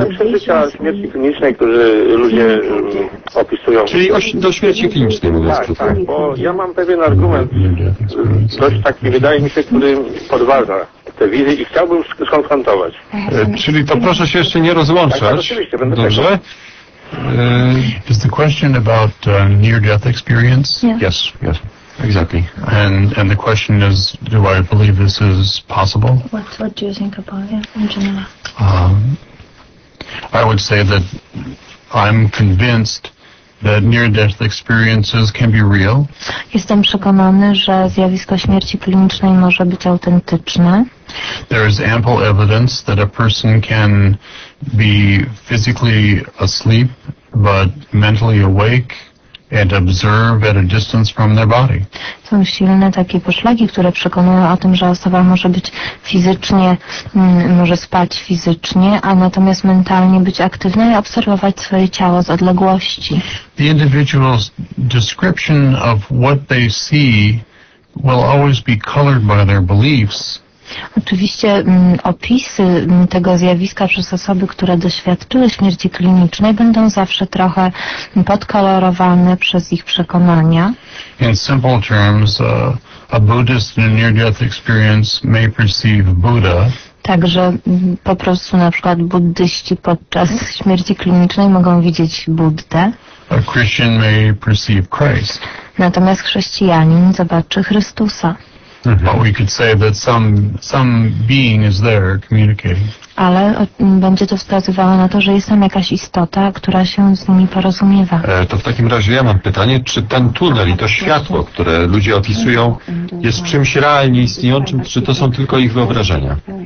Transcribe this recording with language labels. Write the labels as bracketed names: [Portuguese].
[Polish] To są przeżycia śmierci klinicznej, które ludzie opisują. Czyli do śmierci klinicznej mówię. Tak, tak, bo ja mam pewien argument, dość taki, wydaje mi się, który podważa te wizje i chciałbym skonfrontować. Czyli to proszę się jeszcze nie rozłączać. Tak, oczywiście, będę dobrze. Tego. [English] Is the question about near-death experience? Yeah. Yes, yes, exactly. And the question is, do I believe this is possible? What do you think about it, yeah, in general? I would say that I'm convinced that near-death experiences can be real. [Polish] Jestem przekonany, że zjawisko śmierci klinicznej może być autentyczne. [English] There is ample evidence that a person can be physically asleep, but mentally awake and observe at a distance from their body. [Polish] Są silne takie poszlaki, które przekonują o tym, że osoba może być fizycznie, może spać fizycznie, a natomiast mentalnie być aktywna i obserwować swoje ciało z odległości. [English] The individual's description of what they see will always be colored by their beliefs. [Polish] Oczywiście opisy tego zjawiska przez osoby, które doświadczyły śmierci klinicznej, będą zawsze trochę podkolorowane przez ich przekonania. [English] In simple terms, a Buddhist in a near-death experience may perceive Buddha. [Polish] Także po prostu na przykład buddyści podczas śmierci klinicznej mogą widzieć Buddę. [English] A Christian may perceive Christ. [Polish] Natomiast chrześcijanin zobaczy Chrystusa. [English] But we could say that some being is there communicating. [Polish] Ale będzie to wskazywało na to, że jest tam jakaś istota, która się z nimi porozumiewa. To w takim razie ja mam pytanie, czy ten tunel i to światło, które ludzie opisują, jest czymś realnie istniejącym, czy to są tylko ich wyobrażenia?